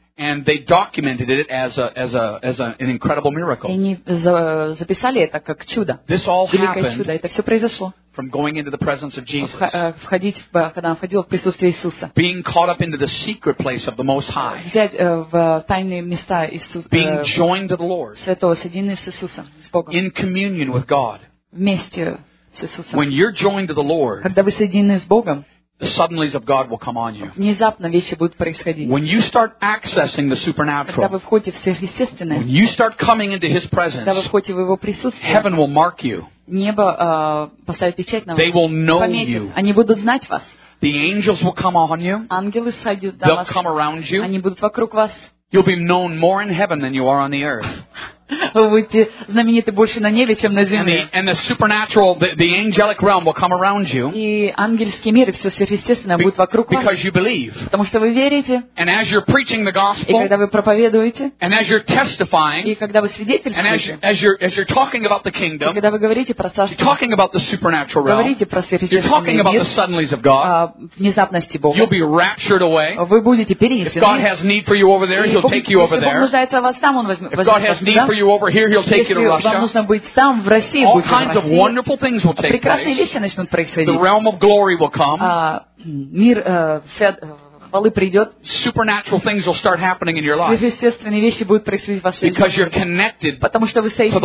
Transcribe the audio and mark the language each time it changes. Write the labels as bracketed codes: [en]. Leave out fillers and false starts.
[en] And they documented it as an incredible miracle. [ru] Они записали это как чудо. [en] This all happened. [ru] Это все произошло. [en] From going into the presence of Jesus. [ru] Когда он входил в присутствие Иисуса. [en] Being caught up into the secret place of the Most High. [ru] Взять в тайные места Иисуса. [en] Being joined to the Lord. [ru] Святого, соединенный с Иисусом, с Богом. [en] In communion with God. [ru] Вместе с Иисусом. [en] When you're joined to the Lord. [ru] Когда вы соединены с Богом. [en] The suddenlies of God will come on you. [ru] Внезапно вещи будут происходить. [en] When you start accessing the supernatural. [ru] Когда вы входите в сверхъестественное. [en] When you start coming into His presence. [ru] Когда вы входите в Его присутствие. [en] Heaven will mark you. [ru] Небо поставит печать на вас. [en] They will know you. [ru] Они будут знать вас. [en] The angels will come on you. [ru] Ангелы сойдут на вас. [en] They'll come around you. [ru] Они будут вокруг вас. [en] You'll be known more in heaven than you are on the earth. [ru] Вы будете знамениты больше на небе, чем на земле. [en] And the supernatural, the angelic realm will come around you. [ru] И ангельский мир, все сверхъестественное будет вокруг вас. [en] Because you believe. [ru] Потому что вы верите. [en] And as you're preaching the gospel. [ru] И когда вы проповедуете. [en] And as you're testifying. [ru] И когда вы свидетельствуете. [en] And as you're talking about the kingdom. [ru] И когда вы говорите про царство. [en] You're talking about the supernatural realm. [ru] Говорите про сверхъестественное. [en] You're talking about the suddenlies of God. [ru] Внезапности Бога. [en] You'll be raptured away. [ru] Вы будете перенесены. [en] If God has need for you over there, He'll take you over there. [ru] Если Бог нуждается в вас там, Он возьмет вас туда. [en] For you over here, he'll take you to Russia. [ru] Вам нужно быть там, в России. [en] All kinds of wonderful things will take place. [ru] Прекрасные вещи начнут происходить. [en] The realm of glory will come. [ru] Мир хвалы придет. [en] Supernatural things will start happening in your life. [ru] Естественные вещи будут происходить в вашей жизни. [en] Because you're connected. [ru] Потому что вы соединены.